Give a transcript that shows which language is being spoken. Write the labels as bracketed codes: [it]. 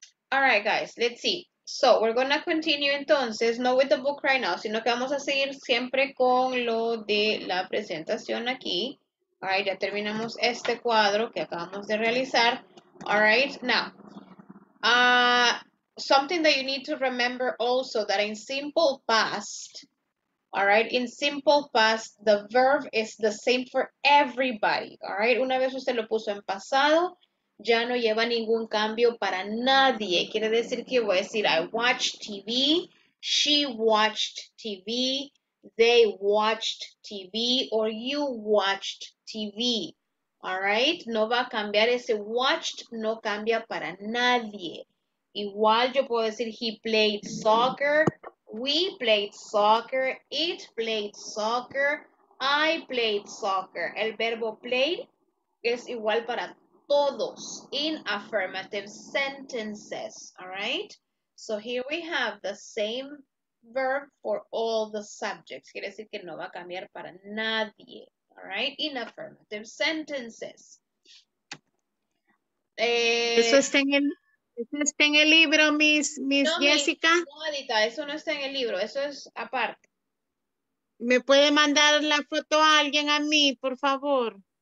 [en] All right, guys, let's see. So, we're going to continue, entonces, not with the book right now, [es] sino que vamos a seguir siempre con lo de la presentación aquí. [en] All right, [es] ya terminamos este cuadro que acabamos de realizar. [en] All right, now, something that you need to remember also, that in simple past, all right, in simple past, the verb is the same for everybody. All right, [es] una vez usted lo puso en pasado, ya no lleva ningún cambio para nadie. Quiere decir que voy a decir, [en] I watched TV, she watched TV, they watched TV, or you watched TV. All right? [es] No va a cambiar. Ese watched no cambia para nadie. Igual yo puedo decir, [en] he played soccer, we played soccer, it played soccer, I played soccer. [es] El verbo played es igual para todos. Todos [en] in affirmative sentences, all right? So here we have the same verb for all the subjects. [es] Quiere decir que no va a cambiar para nadie, [en] all right? In affirmative sentences. [es] ¿Eso está en el libro, Miss no, Jessica? No, Adita, eso no está en el libro, eso es aparte. ¿Me puede mandar la foto a alguien a mí, por favor?